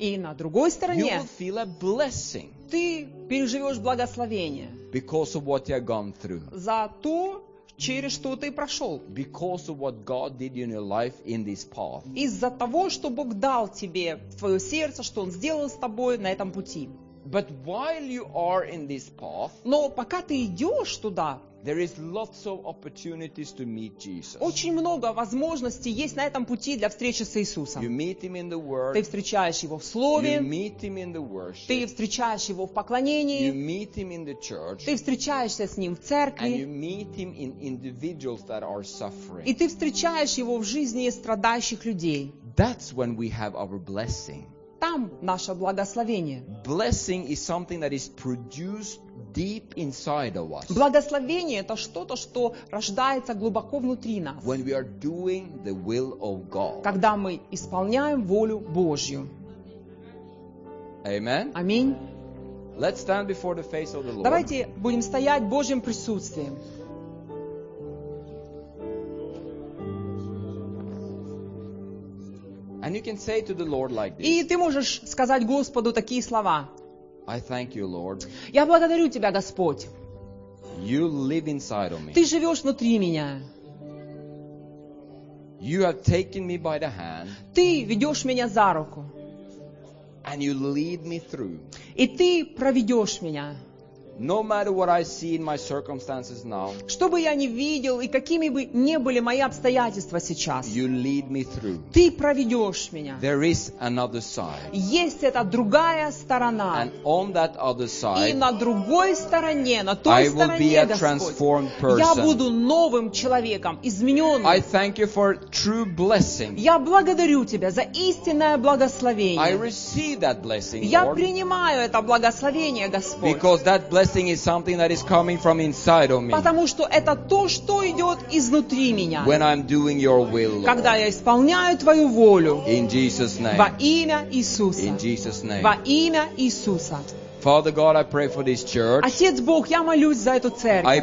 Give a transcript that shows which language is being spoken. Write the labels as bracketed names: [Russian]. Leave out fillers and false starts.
[Russian] и на другой стороне, [English] you will feel a blessing. [Russian] Ты переживешь благословение. [English] Because of what you have gone through. [Russian] За то, через что ты прошел. [English] Because of what God did in your life in this path. [Russian] Из-за того, что Бог дал тебе в твое сердце, что Он сделал с тобой на этом пути. [English] But while you are in this path, [Russian] но пока ты идешь туда, [English] there is lots of opportunities to meet Jesus. [Russian] Очень много возможностей есть на этом пути для встречи с Иисусом. [English] You meet him in the word. [Russian] Ты встречаешь его в слове. [English] You meet him in the worship. [Russian] Ты встречаешь его в поклонении. [English] You meet him in the church. [Russian] Ты встречаешься с ним в церкви. [English] And you meet him in individuals that are suffering. [Russian] И ты встречаешь его в жизни страдающих людей. [English] That's when we have our blessing. [Russian] Там наше благословение. [English] Blessing is something that is produced deep inside of us. [Russian] Благословение это что-то, что рождается глубоко внутри нас. [English] When we are doing the will of God. [Russian] Когда мы исполняем волю Божью. [English] Amen. [Russian] Аминь. [English] Let's stand before the face of the Lord. [Russian] Давайте будем стоять Божьим присутствием. [English] And you can say to the Lord like this. [Russian] И ты можешь сказать Господу такие слова. [English] I thank you, Lord. [Russian] Я благодарю тебя, Господь. [English] You live inside of me. [Russian] Ты живешь внутри меня. [English] You have taken me by the hand. [Russian] Ты ведешь меня за руку. [English] And you lead me through. [Russian] И ты проведешь меня. [English] No matter what I see in my circumstances now. [Russian] Что бы я ни видел и какими бы ни были мои обстоятельства сейчас. [English] You lead me through. [Russian] Ты проведешь меня. [English] There is another side. [Russian] Есть эта другая сторона. [English] And on that other side. [Russian] И на другой стороне, на той стороне, [English] I will be [Russian] Господь, [English] a transformed person. [Russian] Я буду новым человеком, измененным. [English] I thank you for true blessing. [Russian] Я благодарю тебя за истинное благословение. [English] I receive that blessing, [Russian] я [English] Lord. [Russian] Я принимаю это благословение, Господь. [English] Because that blessing is something that is coming from inside of me. [Russian] Потому что это то, что идет изнутри меня. [English] When I'm doing your will, Lord. [Russian] Когда я исполняю твою волю. [English] In Jesus' name. [Russian] Во имя Иисуса. [English] In Jesus' name. [Russian] Во имя Иисуса. [English] Father God, I pray for this church. [Russian] Отец Бог, я молюсь за эту церковь.